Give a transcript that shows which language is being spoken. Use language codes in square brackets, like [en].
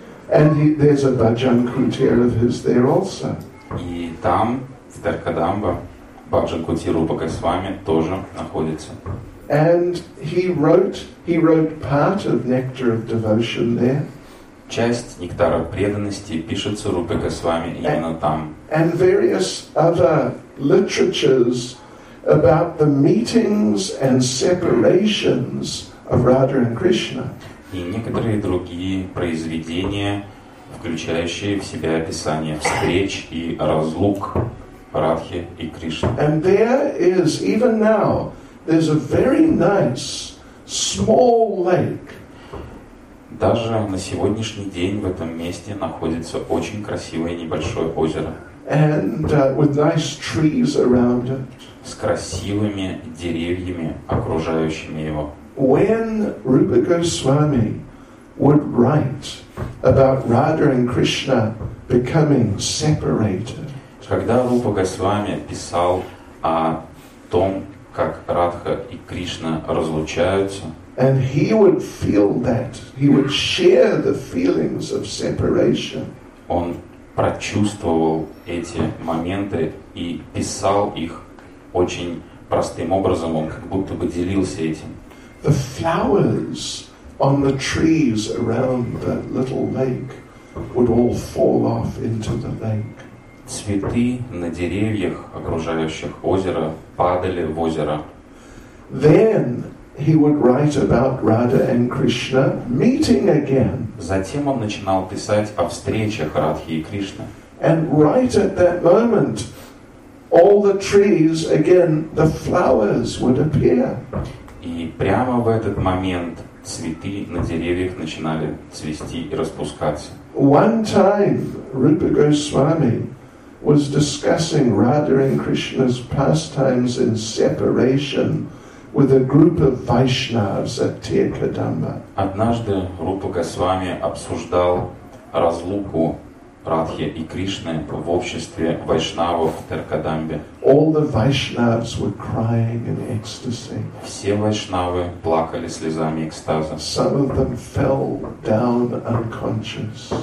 [en] And there's a bhajan kutir of his there also. [ru] И там, в Таркадамба, бхаджан кутир Рупа Госвами тоже находится. [en] And he wrote part of Nectar of Devotion there. [ru] Часть Нектара преданности пишется Рупой Госвами именно там. [en] And various other literatures about the meetings and separations of Radha and Krishna. [ru] И некоторые другие произведения, включающие в себя описание встреч и разлук Радхи и Кришны. [en] And there is even now there's a very nice small lake. [ru] Даже на сегодняшний день в этом месте находится очень красивое небольшое озеро. [en] And with nice trees around it. [ru] С красивыми деревьями, окружающими его. [en] When Rupa Goswami would write about Radha and Krishna becoming separated. [ru] Когда Рупа Госвами писал о том, как Радха и Кришна разлучаются. [en] And he would feel that. He would share the feelings of separation. [ru] Он прочувствовал эти моменты и писал их очень простым образом. Он как будто бы делился этим. [en] The flowers on the trees around that little lake would all fall off into the lake. [ru] Цветы на деревьях, окружающих озеро, падали в озеро. [en] Then he would write about Radha and Krishna meeting again. [ru] Затем он начинал писать о встречах Радхи и Кришны. [en] And right at that moment, all the trees again, the flowers would appear. [ru] И прямо в этот момент цветы на деревьях начинали цвести и распускаться. [en] One time, Rupa Goswami was discussing Radha and Krishna's pastimes in separation with a group of Vaishnavas at Tir Kadamba. [ru] Однажды Рупа Госвами обсуждал разлуку Радхи и Кришны в обществе вайшнавов в Таркадамбе. [en] All the Vaishnavas were crying in ecstasy. [ru] Все вайшнавы плакали слезами экстаза. [en] Some of them fell down unconscious.